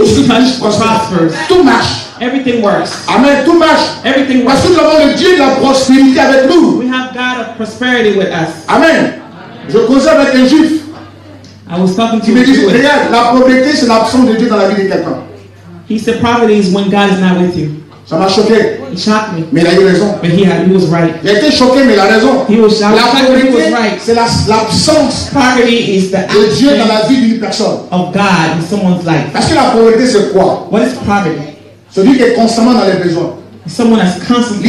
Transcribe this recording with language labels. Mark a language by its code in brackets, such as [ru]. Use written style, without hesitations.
[fr] tout ce qui touche prospère. Tout marche. [en] Everything works. [fr] Amen. Tout marche. [en] Everything works. [fr] Parce que nous avons le Dieu de la prospérité avec nous. [en] We have God of prosperity with us. [fr] Amen. Je causais avec un juif. Il me dit, regarde, la pauvreté, c'est l'absence de Dieu dans la vie de quelqu'un. [en] He said, poverty is when God is not with you. [fr] Ça m'a choqué. [en] It shocked me. [fr] Mais il a eu raison. [en] But he was right. [fr] Il a été choqué, mais il a raison. [en] He was shocked. [fr] La pauvreté, [en] he was right. [fr] C'est l'absence [en] poverty is the [fr] de Dieu dans la vie d'une personne. [en] Of God in someone's life. [fr] Parce que la pauvreté, c'est quoi? [en] What is poverty? [fr] Celui qui est constamment dans les besoins. [en] Someone that's constantly.